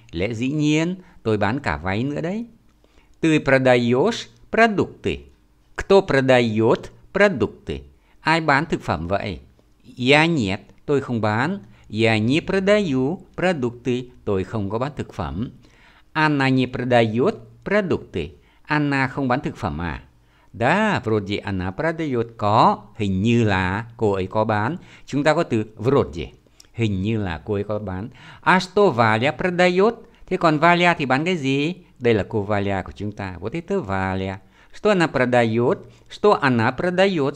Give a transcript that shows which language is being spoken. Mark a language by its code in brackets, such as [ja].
[vi] Lẽ dĩ nhiên, tôi bán cả váy nữa đấy. [ru] Ты продаешь продукты? Кто продает продукты? [vi] Ai bán thực phẩm vậy? [ru] Я нет, [vi] tôi không bán. [ru] Я не продаю продукты, [vi] tôi không có bán thực phẩm. [ru] Она не продает продукты. Она [vi] không bán thực phẩm à? [ru] Да, вроде она продает. [vi] Có, hình như là cô ấy có bán. Chúng ta có từ [ru] вроде, [vi] hình như là cô ấy có bán. [ru] А что Валя продает? [vi] Thế còn [ru] Валя [vi] thì bán cái gì? Đây là cô Валя của chúng ta. [ru] Вот это Валя. Что она продает? Что она продает?